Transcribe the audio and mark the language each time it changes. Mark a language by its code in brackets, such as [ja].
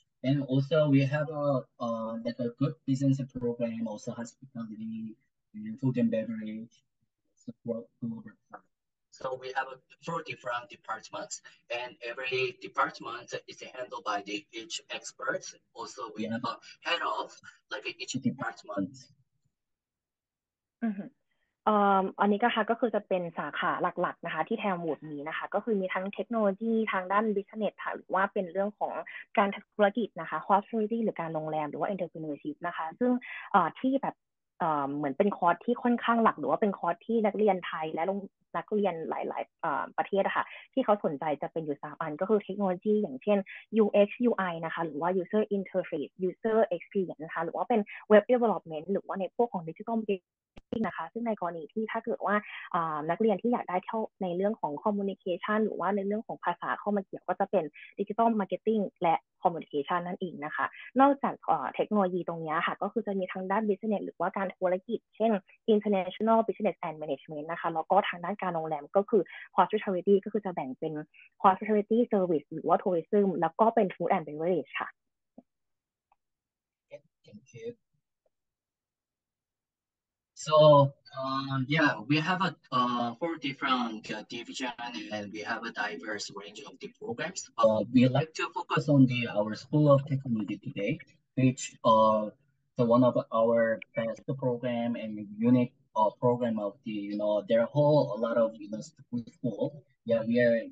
[en] And also we have a good business program, also hospitality, food and beverage, support global. So we have four different departments, and every department is handled by the each expert. Also, we have a head of each department. [th] อันนี้ก็ค่ะก็คือจะเป็นสาขาหลักๆนะคะที่แทมวูดมีนะคะก็คือมีทั้งเทคโนโลยีทางด้านบิสเนสค่ะหรือว่าเป็นเรื่องของการธุรกิจนะคะฮอสพิทาลิตี้หรือการโรงแรมหรือว่าเอ็นเตอร์เพรเนอร์ชิพนะคะซึ่งที่แบบ เหมือนเป็นคอร์สที่ค่อนข้างหลักหรือว่าเป็นคอร์สที่นักเรียนไทยและนักเรียนหลายๆประเทศอะค่ะที่เขาสนใจจะเป็นอยู่3อันก็คือเทคโนโลยีอย่างเช่น UX UI นะคะหรือว่า User Interface User Experience นะคะหรือว่าเป็น Web Development หรือว่าในพวกของ Digital Marketing นะคะซึ่งในกรณีที่ถ้าเกิดว่า นักเรียนที่อยากได้เข้าในเรื่องของ Communication หรือว่าในเรื่องของภาษาเข้ามาเกี่ยวก็จะเป็น Digital Marketing และcommunication นั่นเองนะคะนอกจากเทคโนโลยีตรงนี้ค่ะก็คือจะมีทางด้าน business หรือว่าการธุรกิจเช่น international business and management นะคะแล้วก็ทางด้านการโรงแรมก็คือ hospitality ก็คือจะแบ่งเป็น hospitality service หรือว่า tourism แล้วก็เป็น food and beverage ค่ะ [en] Thank you. So we have four different division, and we have a diverse range of the programs. We like to focus on our School of Technology today, which the one of our best program and unique program of the their whole a lot of school. Yeah, we are.